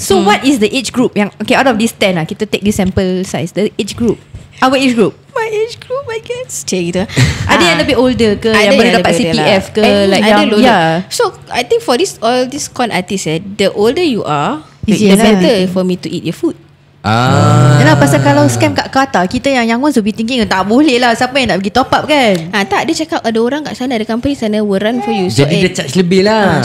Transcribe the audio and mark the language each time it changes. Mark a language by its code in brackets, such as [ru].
[en] So what is the age group yang, okay, out of this 10 lah, kita take this sample size, the age group, our age group. My age group, I guess. [ms] Cik gitu. Ada yang lebih older ke, yang baru dapat CPF ke, like yang [en] so I think for this, all this con artist, the older you are, the better for me to eat your food. [ms] Yalah, pasal kalau scam kat Qatar, kita yang [en] young ones will be thinking, [ms] tak boleh lah, siapa yang nak pergi top up kan. Tak, dia cakap ada orang kat sana, ada company sana will run for you. Jadi so dia charge lebih lah.